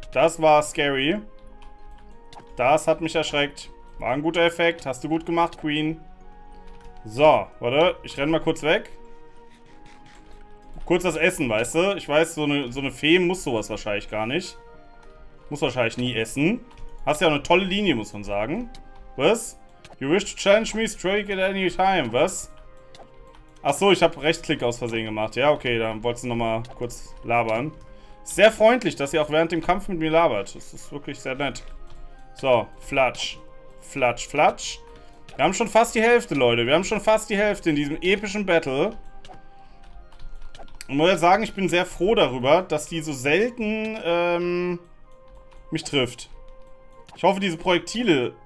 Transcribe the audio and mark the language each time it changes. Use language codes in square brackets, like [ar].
[de] Das war scary. Das hat mich erschreckt. War ein guter Effekt. Hast du gut gemacht, Queen. So, warte. Ich renne mal kurz weg. Kurz das Essen, weißt du? Ich weiß, so eine Fee muss sowas wahrscheinlich gar nicht. Muss wahrscheinlich nie essen. Hast ja auch eine tolle Linie, muss man sagen. Was? [en] You wish to challenge me, strike at any time, [de] was? Achso, ich habe Rechtsklick aus Versehen gemacht. Ja, okay, dann wolltest du nochmal kurz labern. Sehr freundlich, dass ihr auch während dem Kampf mit mir labert. Das ist wirklich sehr nett. So, Flatsch. Flatsch, Flatsch. Wir haben schon fast die Hälfte, Leute. Wir haben schon fast die Hälfte in diesem epischen Battle. Und muss ja sagen, ich bin sehr froh darüber, dass die so selten mich trifft. Ich hoffe, diese Projektile